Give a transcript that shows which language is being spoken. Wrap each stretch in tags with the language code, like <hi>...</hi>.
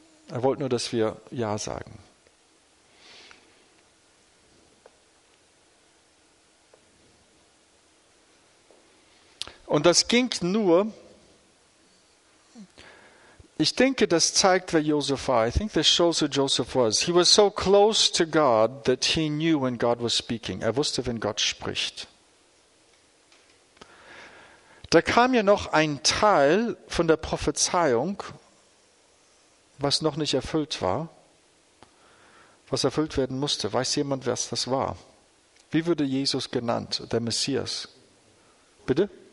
<de>Er wollte nur, dass wir Ja sagen. Und das ging nur, ich denke, das zeigt, wer Joseph war.</de> <en>I think this shows who Joseph was. He was so close to God that he knew when God was speaking.</en> <de>Er wusste, wenn Gott spricht. Da kam ja noch ein Teil von der Prophezeiung, was noch nicht erfüllt war, was erfüllt werden musste. Weiß jemand, wer das war? Wie wurde Jesus genannt, der Messias? Bitte?</de>